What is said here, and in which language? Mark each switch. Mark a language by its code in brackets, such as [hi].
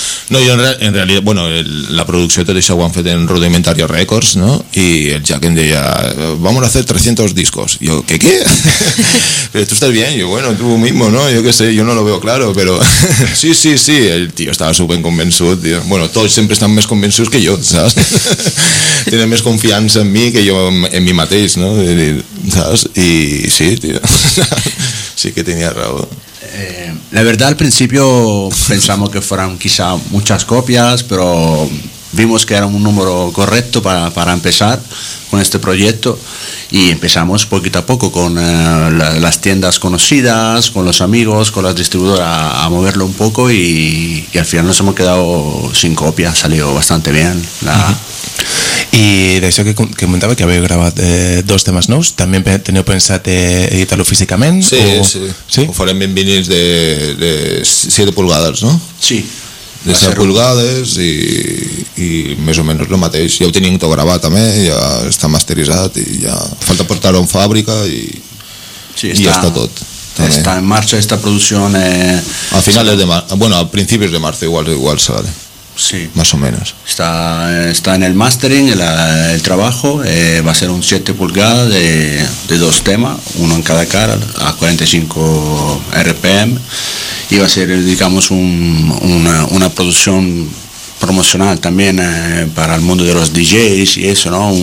[ca] No, jo en realitat, bueno, la producció tot això ho han fet en Rudimentario Records, no? I el Jack em deia, [es] vamos a hacer 300 discos. [ca] Jo, [es] ¿qué? Pero tú estás bien. Yo, bueno, tú mismo, ¿no? Yo qué sé, yo no lo veo claro, pero... sí, el tío estaba súper [ca] convençut, [es] tío. [ca] Bueno, tots sempre estan més convençuts que jo, saps? Tenen més confiança en mi que jo en mi mateix, no? Saps? I sí, tío. Sí que tenia raó. [es] La verdad, al principio pensamos que fueran quizá muchas copias, pero vimos que era un número correcto para empezar con este proyecto y empezamos poquito a poco con las tiendas conocidas, con los amigos, con las distribuidoras a moverlo un poco y al final nos hemos quedado sin copias, salió bastante bien la... [ca] I d'això que comentava, que havíeu gravat dos temes nous, també teniu pensat editar-lo físicament? Sí, sí. Ho farem en vinils de 7 pulgades, no? Sí. De 7 pulgades i més o menys el mateix. Ja ho tenim tot gravat també, ja està masteritzat i ja falta portar-ho en fàbrica i ja està tot. Està en marxa aquesta producció. A finals de març, bueno, a principis de març igual [es] sale. [ca] Sí, [es] más o menos. Está en el mastering, el trabajo, va a ser un 7 pulgadas de dos temas, uno en cada cara, a 45 RPM, y va a ser, digamos, una producción promocional también para el mundo de los DJs y eso, ¿no?